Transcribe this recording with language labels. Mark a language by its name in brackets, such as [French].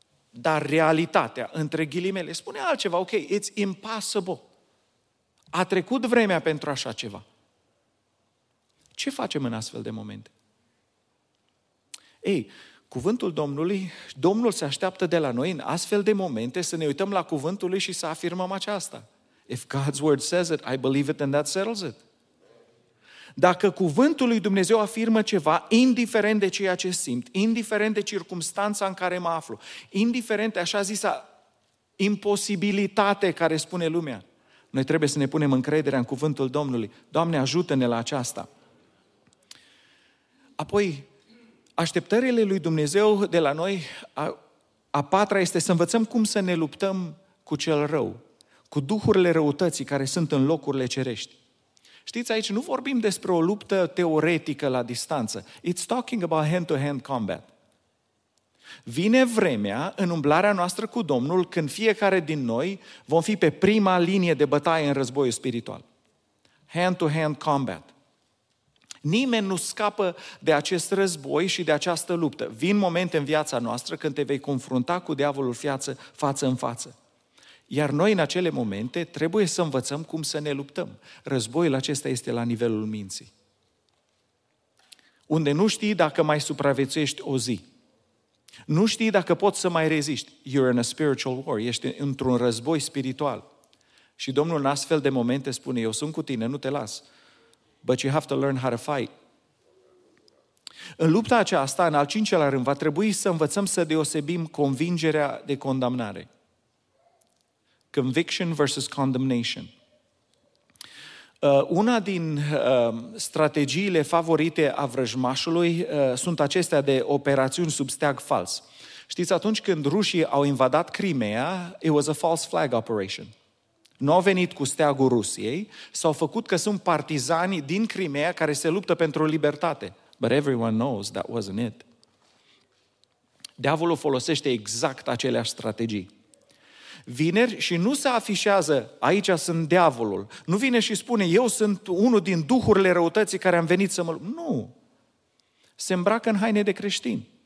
[Romanian] Dar realitatea, între ghilimele, spune altceva, [English] ok, it's impossible. [Romanian] A trecut vremea pentru așa ceva. Ce facem în astfel de momente? Ei, cuvântul Domnului, Domnul se așteaptă de la noi în astfel de momente să ne uităm la cuvântul lui și să afirmăm aceasta. [English] If God's word says it, I believe it and that settles it. [Romanian] Dacă cuvântul lui Dumnezeu afirmă ceva, indiferent de ceea ce simt, indiferent de circumstanța în care mă aflu, indiferent de așa zisa imposibilitate care spune lumea, noi trebuie să ne punem încrederea în cuvântul Domnului. Doamne, ajută-ne la aceasta. Apoi, așteptările lui Dumnezeu de la noi, a patra este să învățăm cum să ne luptăm cu cel rău, cu duhurile răutății care sunt în locurile cerești. Știți, aici nu vorbim despre o luptă teoretică la distanță. [English] It's talking about hand-to-hand combat. [Romanian] Vine vremea în umblarea noastră cu Domnul când fiecare din noi vom fi pe prima linie de bătaie în războiul spiritual. [English] Hand-to-hand combat. [Romanian] Nimeni nu scapă de acest război și de această luptă. Vin momente în viața noastră când te vei confrunta cu diavolul față în față. Iar noi în acele momente trebuie să învățăm cum să ne luptăm. Războiul acesta este la nivelul minții. Unde nu știi dacă mai supraviețuiești o zi. Nu știi dacă poți să mai reziști. [English] You're in a spiritual war. [Romanian] Ești într-un război spiritual. Și Domnul în astfel de momente spune, eu sunt cu tine, nu te las. [English] But you have to learn how to fight. [Romanian] În lupta aceasta, în al cincelea rând, va trebui să învățăm să deosebim convingerea de condamnare. [English] Conviction versus condemnation. [Romanian] Una din strategiile favorite a vrăjmașului sunt acestea de operațiuni sub steag fals. Știți, atunci când rușii au invadat Crimea, [English] it was a false flag operation. [Romanian] Nu au venit cu steagul Rusiei, s-au făcut că sunt partizani din Crimea care se luptă pentru libertate. [English] But everyone knows that wasn't it. [Romanian] Diavolul folosește exact aceleași strategii. Vineri și nu se afișează, aici sunt diavolul. Nu vine și spune, eu sunt unul din duhurile răutății care am venit să mă... Nu! Se îmbracă în haine de creștin.